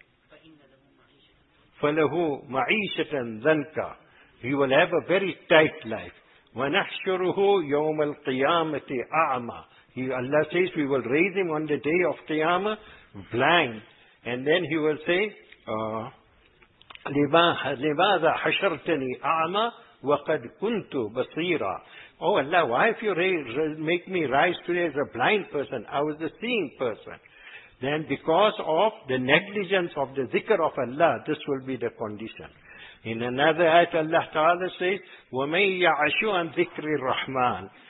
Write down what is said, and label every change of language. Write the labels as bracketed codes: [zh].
[ar] فَإِنَّ لَهُ مَعِيشَةً ذَنْكَ. [en] He will have a very tight life. [ar] وَنَحْشُرُهُ يَوْمَ الْقِيَامَةِ أَعْمَى. [en] Allah says, we will raise him on the day of Qiyamah, blind. And then he will say, [ar] لِمَاذَا حَشَرْتَنِي أَعْمَى وَقَدْ كُنْتُ بَصِيرًا. [en] Oh Allah, why have you make me rise today as a blind person? I was a seeing person. Then because of the negligence of the zikr of Allah, this will be the condition. In another ayat, Allah Ta'ala says, [ar] وَمَنْ يَعَشُ عَنْ ذِكْرِ الرَّحْمَانِ.